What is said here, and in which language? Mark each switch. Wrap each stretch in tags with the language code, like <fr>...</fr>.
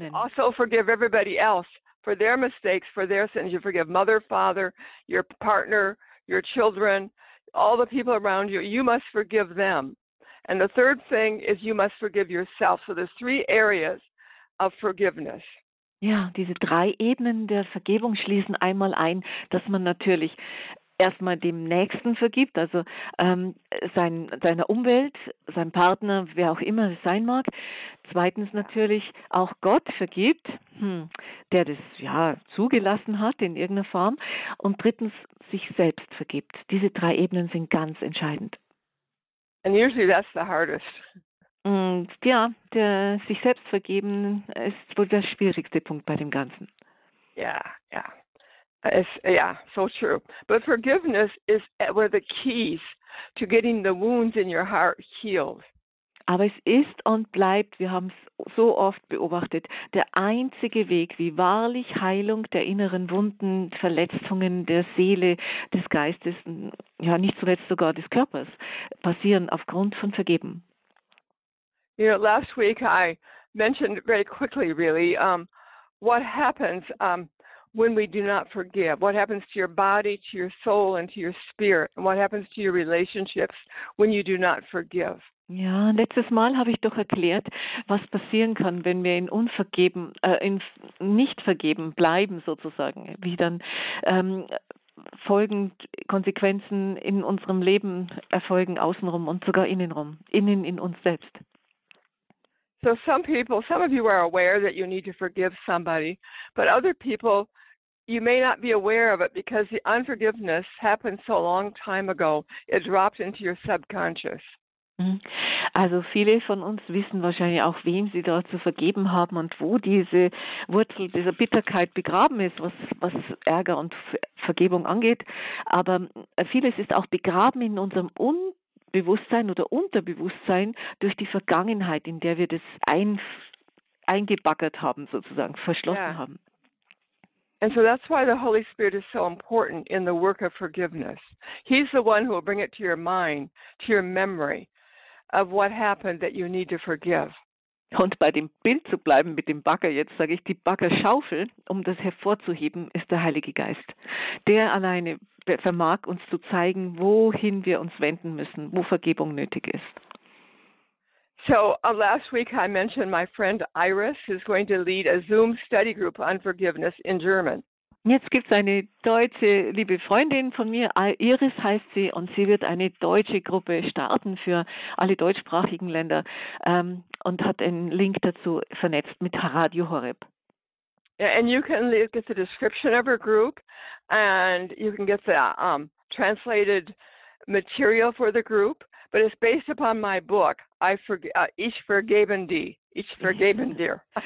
<en>we must also forgive everybody else for their mistakes, for their sins. You forgive mother, father, your partner, your children, all the people around you. You must forgive them. And the third thing is you must forgive yourself. So there's three areas of forgiveness.</en> <de>Ja, diese drei Ebenen der Vergebung schließen einmal ein, dass man natürlich erstmal dem Nächsten vergibt, also seiner Umwelt, seinem Partner, wer auch immer es sein mag. Zweitens natürlich auch Gott vergibt, der das ja zugelassen hat in irgendeiner Form. Und drittens sich selbst vergibt. Diese drei Ebenen sind ganz entscheidend.</de> <en>And usually that's the hardest.</en> <de>Und ja, der sich selbst vergeben ist wohl der schwierigste Punkt bei dem Ganzen. Ja.</de> <en>Yeah, so true. But forgiveness is where the keys to getting the wounds in your heart healed.</en> <de>Aber es ist und bleibt, wir haben es so oft beobachtet, der einzige Weg, wie wahrlich Heilung der inneren Wunden, Verletzungen der Seele, des Geistes, ja nicht zuletzt sogar des Körpers, passieren aufgrund von Vergeben.</de> <en>You know, last week I mentioned very quickly, really, what happens when we do not forgive. What happens to your body, to your soul, and to your spirit? And what happens to your relationships when you do not forgive?</en> <de>Ja, letztes Mal habe ich doch erklärt, was passieren kann, wenn wir in Unvergeben, in nicht vergeben bleiben sozusagen, wie dann Folgen, Konsequenzen in unserem Leben erfolgen, außenrum und sogar innenrum, innen in uns selbst.</de> <en>So some of you are aware that you need to forgive somebody, but other people, you may not be aware of it because the unforgiveness happened so long time ago, it dropped into your subconscious.</en> <de>Also viele von uns wissen wahrscheinlich auch, wem sie da zu vergeben haben und wo diese Wurzel dieser Bitterkeit begraben ist, was Ärger und Vergebung angeht. Aber vieles ist auch begraben in unserem Unbewusstsein oder Unterbewusstsein durch die Vergangenheit, in der wir das eingebaggert haben, sozusagen verschlossen haben.</de> <en>And so that's why the Holy Spirit is so important in the work of forgiveness. He's the one who will bring it to your mind, to your memory. Of what happened that you need to forgive.</en> <de>Und bei dem Bild zu bleiben mit dem Bagger, jetzt sage ich die Baggerschaufel, um das hervorzuheben, ist der Heilige Geist. Der alleine vermag uns zu zeigen, wohin wir uns wenden müssen, wo Vergebung nötig ist.</de> <en>So, last week I mentioned my friend Iris is going to lead a Zoom study group on forgiveness in German.</en> <de>Jetzt gibt es eine deutsche, liebe Freundin von mir, Iris heißt sie, und sie wird eine deutsche Gruppe starten für alle deutschsprachigen Länder und hat einen Link dazu vernetzt mit Radio Horeb.</de> <en>Yeah, and you can look at the description of her group and you can get the translated material for the group, but it's based upon my book, Ich vergeben dir.</en>